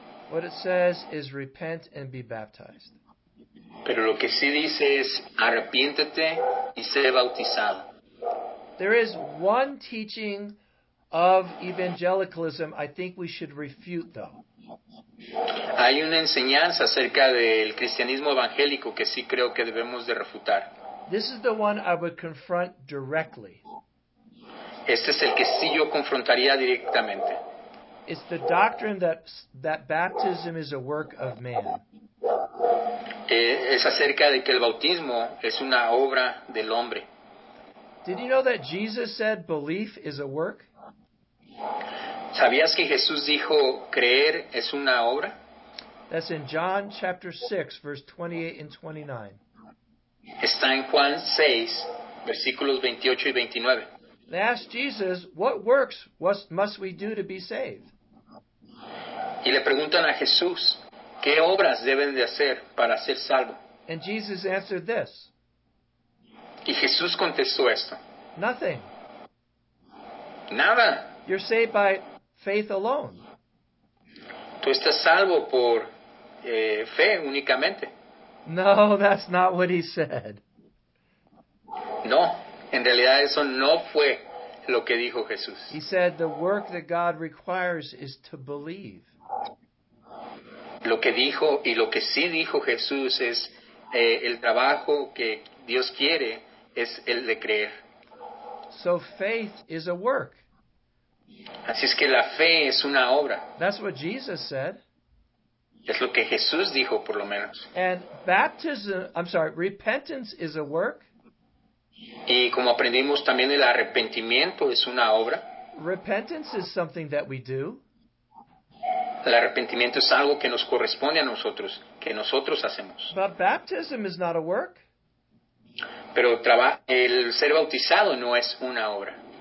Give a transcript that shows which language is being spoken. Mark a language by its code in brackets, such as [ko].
[en] What it says is repent and be baptized. [es] Pero lo que sí dice es arrepiéntete y sé bautizado. [en] There is one teaching of evangelicalism I think we should refute, though. [es] Hay una enseñanza acerca del cristianismo evangélico que sí creo que debemos de refutar. [en] This is the one I would confront directly. [es] Este es el que sí yo confrontaría directamente. [en] It's the doctrine that baptism is a work of man. [es] Es acerca de que el bautismo es una obra del hombre. [en] Did you know that Jesus said belief is a work? [es] ¿Sabías que Jesús dijo creer es una obra? [en] That's in John chapter 6, verse 28 and 29. [es] Está en Juan 6, versículos 28 y 29. [en] They asked Jesus, what works must we do to be saved? [es] Y le preguntan a Jesús, ¿qué obras deben de hacer para ser salvo? [en] And Jesus answered this. [es] Y Jesús contestó esto. [en] Nothing. [es] Nada. [en] You're saved by faith alone. [es] Tú estás salvo por fe únicamente. [en] No, that's not what he said. [es] No, en realidad eso no fue lo que dijo Jesús. [en] He said the work that God requires is to believe. [es] Lo que dijo y lo que sí dijo Jesús es el trabajo que Dios quiere es el de creer. [en] So faith is a work. [es] Así es que la fe es una obra. [en] That's what Jesus said. [es] Es lo que Jesús dijo, por lo menos. [en] And baptism, I'm sorry, repentance is a work. [es] Y como aprendimos también, el arrepentimiento es una obra. [en] Repentance is something that we do. [es] El arrepentimiento es algo que nos corresponde a nosotros, que nosotros hacemos. [en] But baptism is not a work. [es] Pero el ser bautizado no es una obra.